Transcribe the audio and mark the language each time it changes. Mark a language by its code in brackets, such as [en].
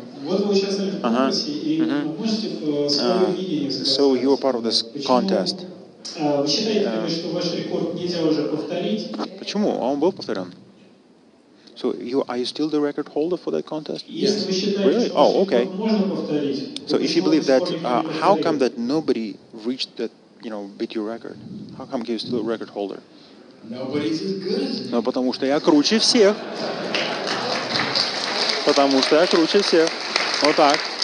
[ru] Вот вы сейчас в этом конкурсе, и вы можете свое видение сказать. [en] So, you are part of this contest. [ru] Вы считаете, что ваш рекорд нельзя уже повторить? Почему? А он был повторен. [en] So, are you still the record holder for that contest? Yes. Really? Oh, okay. So, if you believe that, how come that nobody reached that, you know, beat your record? How come you're still a record holder? Nobody's as good. [ru] No, потому что я круче всех. Потому что я круче всех. Вот так.